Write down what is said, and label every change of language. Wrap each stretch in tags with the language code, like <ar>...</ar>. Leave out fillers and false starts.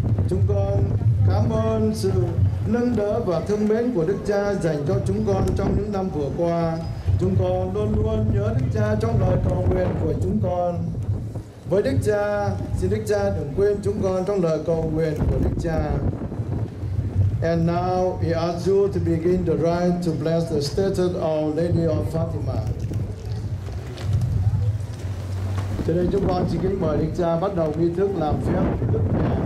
<vi>Chúng con cảm ơn sự nâng đỡ và thương mến của Đức Cha dành cho chúng con trong những năm vừa qua. Chúng con luôn luôn nhớ Đức Cha trong lời cầu nguyện của chúng con. Với Đức Cha, xin Đức Cha đừng quên chúng con trong lời cầu nguyện của Đức Cha.</vi> <en>And now we ask you to begin the rite to bless the statue of Our Lady of Fatima.</en> <vi>Cho nên chúng con xin kính mời Đức Cha bắt đầu nghi thức làm phép Đức Mẹ.</vi>